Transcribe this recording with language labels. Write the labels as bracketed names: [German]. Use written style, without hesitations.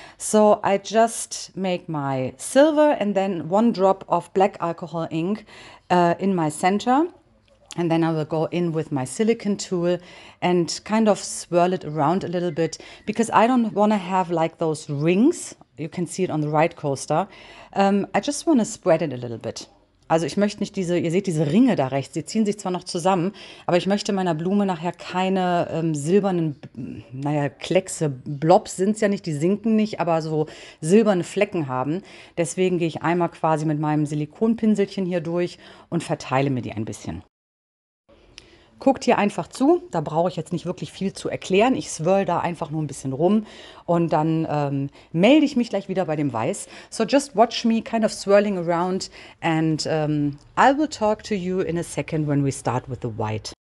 [English] So, I just make my silver and then one drop of black alcohol ink in my center. And then I will go in with my silicone tool and kind of swirl it around a little bit. Because I don't want to have like those rings. You can see it on the right coaster. I just want to spread it a little bit. [German] Also ich möchte nicht diese, ihr seht diese Ringe da rechts, die ziehen sich zwar noch zusammen, aber ich möchte meiner Blume nachher keine silbernen, Kleckse, Blobs sind es ja nicht, die sinken nicht, aber so silberne Flecken haben. Deswegen gehe ich einmal quasi mit meinem Silikonpinselchen hier durch und verteile mir die ein bisschen. Guckt hier einfach zu, da brauche ich jetzt nicht wirklich viel zu erklären. Ich swirl da einfach nur ein bisschen rum und dann melde ich mich gleich wieder bei dem Weiß. [English] So just watch me kind of swirling around and I will talk to you in a second when we start with the white.